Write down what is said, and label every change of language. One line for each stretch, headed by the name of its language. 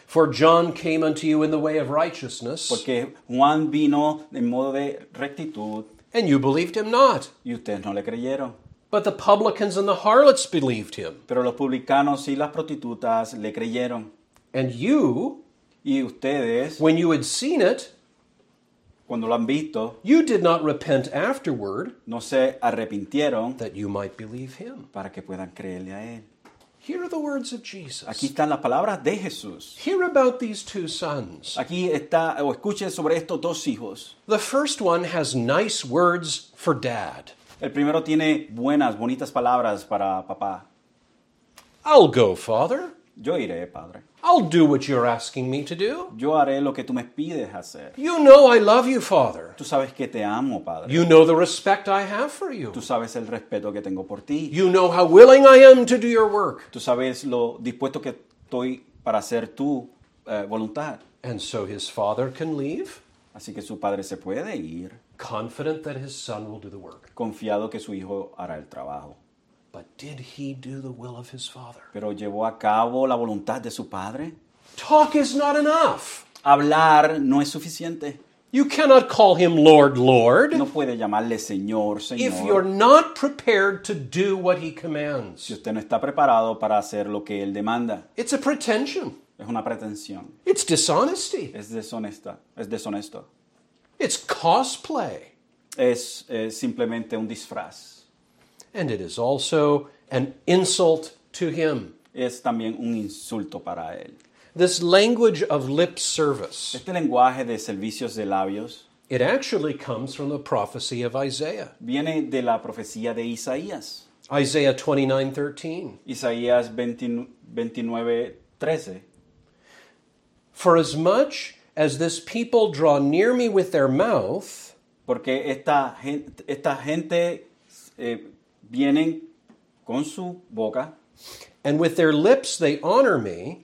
English: For John came unto you in the way of righteousness.
Spanish: Porque Juan vino en modo de rectitud.
English: And you believed him not.
Spanish: Y ustedes no le creyeron.
English: But the publicans and the harlots believed him.
Spanish: Pero los publicanos y las prostitutas le creyeron.
English: And you,
Spanish: y ustedes,
English: when you had seen it,
Spanish: cuando lo han visto,
English: you did not repent afterward,
Spanish: no se arrepintieron,
English: that you might believe him.
Spanish: Para que puedan creerle a él.
English: Here are the words of Jesus.
Spanish: Aquí están las palabras de Jesús.
English: Hear about these two sons.
Spanish: Aquí está, o escuchen sobre estos dos hijos.
English: The first one has nice words for dad.
Spanish: El primero tiene buenas, bonitas palabras para papá.
English: I'll go, father.
Spanish: Yo iré, padre.
English: I'll do what you're asking me to do.
Spanish: Yo haré lo que tú me pides hacer.
English: You know I love you, Father.
Spanish: Tú sabes que te amo, Padre.
English: You know the respect I have for you.
Spanish: Tú sabes el respeto que tengo por ti.
English: You know how willing I am to do your work.
Spanish: Tú sabes lo dispuesto que estoy para hacer tu voluntad.
English: And so his father can leave.
Spanish: Así que su padre se puede ir.
English: Confident that his son will do the work.
Spanish: Confiado que su hijo hará el trabajo.
English: But did he do the will of his father?
Spanish: ¿Pero llevó a cabo la voluntad de su padre?
English: Talk is not enough.
Spanish: Hablar no es suficiente.
English: You cannot call him Lord, Lord.
Spanish: No puede llamarle Señor, Señor.
English: If you're not prepared to do what he commands.
Spanish: Si usted no está preparado para hacer lo que él demanda.
English: It's a pretension.
Spanish: Es una pretensión.
English: It's dishonesty.
Spanish: Es deshonesta. Es deshonesto.
English: It's cosplay.
Spanish: Es simplemente un disfraz.
English: And it is also an insult to him.
Spanish: Es también un insulto para él.
English: This language of lip service.
Spanish: Este lenguaje de servicios de labios.
English: It actually comes from the prophecy of Isaiah.
Spanish: Viene de la profecía de Isaías.
English: Isaiah 29:13.
Spanish: Isaías 29:13.
English: For as much as this people draw near me with their mouth.
Spanish: Porque esta gente vienen con su boca.
English: And with their lips they honor me.